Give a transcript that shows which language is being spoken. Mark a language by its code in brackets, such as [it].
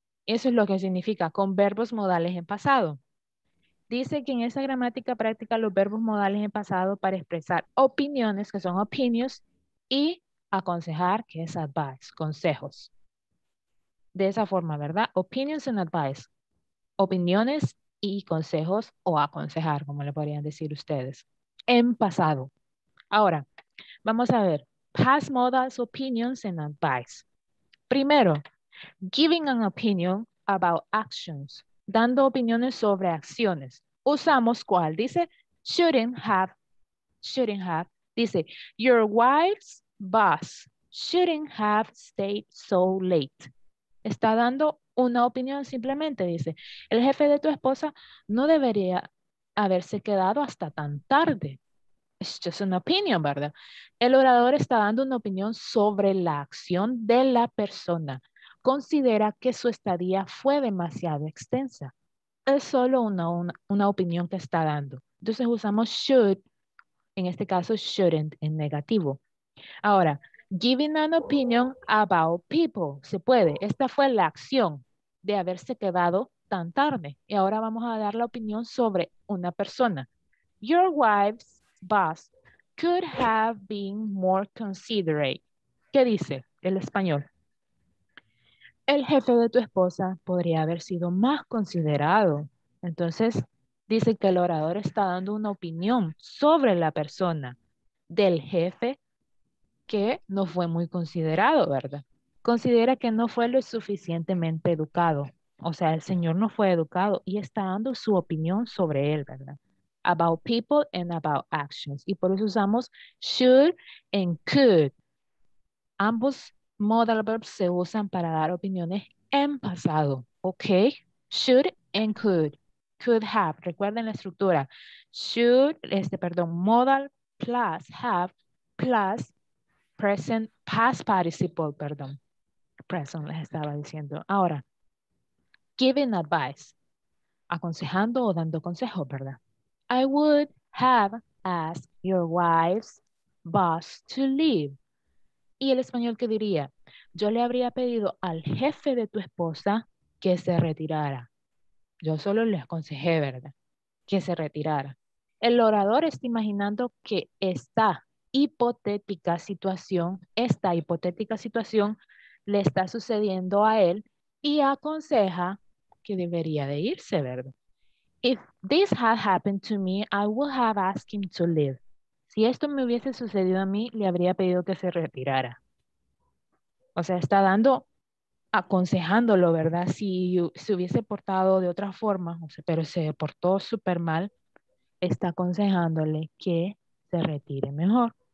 [es] Eso es lo que significa con verbos modales en pasado. Dice que en esa gramática práctica los verbos modales en pasado para expresar opiniones, que son opinions, y aconsejar, que es advice, consejos. De esa forma, ¿verdad? [en] Opinions and advice. [es] Opiniones y consejos o aconsejar, como le podrían decir ustedes. En pasado. Ahora, vamos a ver, [en] past modals, opinions, and advice. [es] Primero, [en] giving an opinion about actions, [es] dando opiniones sobre acciones. Usamos cuál, dice, [en] shouldn't have, dice, your wife's boss shouldn't have stayed so late. [es] Está dando una opinión simplemente, dice, el jefe de tu esposa no debería haberse quedado hasta tan tarde. [en] It's just an opinion, [es] ¿verdad? El orador está dando una opinión sobre la acción de la persona. Considera que su estadía fue demasiado extensa. Es solo una opinión que está dando. Entonces usamos should, en este caso shouldn't, en negativo. [en] Ahora, giving an opinion about people, [es] se puede. Esta fue la acción de haberse quedado tan tarde. Y ahora vamos a dar la opinión sobre una persona. [en] Your wife's boss could have been more considerate. [es] ¿Qué dice el español? El jefe de tu esposa podría haber sido más considerado. Entonces, dice que el orador está dando una opinión sobre la persona del jefe que no fue muy considerado, ¿verdad? Considera que no fue lo suficientemente educado. O sea, el señor no fue educado y está dando su opinión sobre él, ¿verdad? [en] about people and about actions. [es] Y por eso usamos [en] should and could. [es] Ambos modal verbs se usan para dar opiniones en pasado. Ok. [en] Should and could. Could have. [es] Recuerden la estructura. [en] Should, modal plus have plus present past participle, [es] perdón. Present, les estaba diciendo. Ahora, [en] giving advice. [es] Aconsejando o dando consejo, ¿verdad? [en] I would have asked your wife's boss to leave. [es] ¿Y el español qué diría? Yo le habría pedido al jefe de tu esposa que se retirara. Yo solo le aconsejé, ¿verdad? Que se retirara. El orador está imaginando que esta hipotética situación, le está sucediendo a él y aconseja que debería de irse, ¿verdad? [en] If this had happened to me, I would have asked him to leave. [es] Si esto me hubiese sucedido a mí, le habría pedido que se retirara. O sea, está dando, aconsejándolo, ¿verdad? Si se hubiese portado de otra forma, pero se portó súper mal, está aconsejándole que se retire mejor.